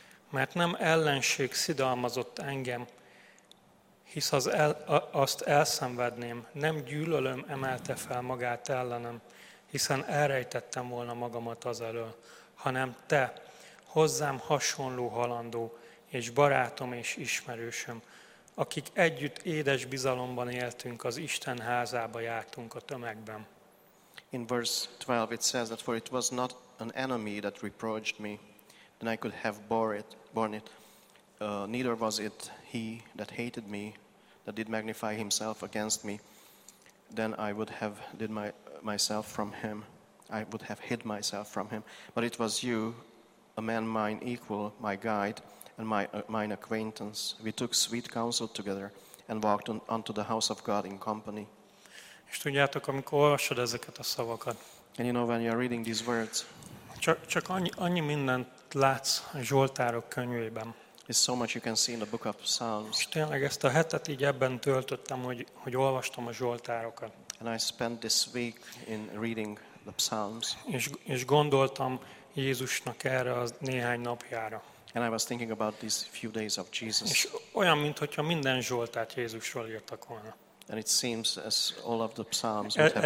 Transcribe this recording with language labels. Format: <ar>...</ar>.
<hu>Mert nem ellenség szidalmazott engem, hisz azt elszenvedném, nem gyűlölöm emelte fel magát ellenem, hiszen elrejtettem volna magamat az elől, hanem te, hozzám hasonló halandó, és barátom és ismerősöm, akik együtt édes bizalomban éltünk, az Isten házába jártunk a tömegben.</hu> <en>In verse 12 it says that for it was not an enemy that reproached me, then I could have borne it. Neither was it he that hated me, that did magnify himself against me, then I would have did myself from him, I would have hid myself from him. But it was you, a man mine equal, my guide, and mine acquaintance. We took sweet counsel together and walked unto the house of God in company.</en> <hu>És tudjátok, amikor olvasod ezeket a szavakat.</hu> <en>And you know when you're reading these words.</en> <hu>Csak annyi mindent látsz a Zsoltárok könyvében.</hu> <en>It's so much you can see in the book of Psalms.</en> <hu>És tényleg ezt a hetet így ebben töltöttem, hogy olvastam a Zsoltárokat.</hu> <en>And I spent this week in reading the Psalms.</en> <hu>És gondoltam Jézusnak erre az néhány napjára.</hu> <en>And I was thinking about these few days of Jesus.</en> <hu>És olyan, mintha minden Zsoltárt Jézusról írtak volna.</hu> <en>And it seems as all of the Psalms would have</en>